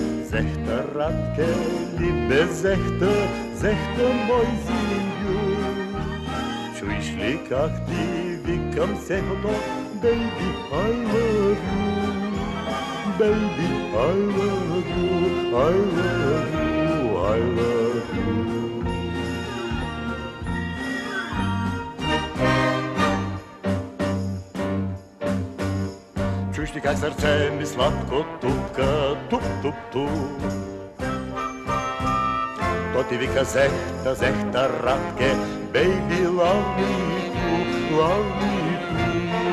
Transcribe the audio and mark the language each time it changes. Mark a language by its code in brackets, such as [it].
[bg] Зехта, Радке, и без зехта, зехта, мой зимбю. Чуиш ли как ти викам зехто, [en] baby, I love you. Baby, I love you, I love you, I love you. [bg] Чуиш ли как сърце ми сладко тупка, туп-туп-туп? То ти вика зехта, зехта, Радке, [en] baby, love me too, love me too.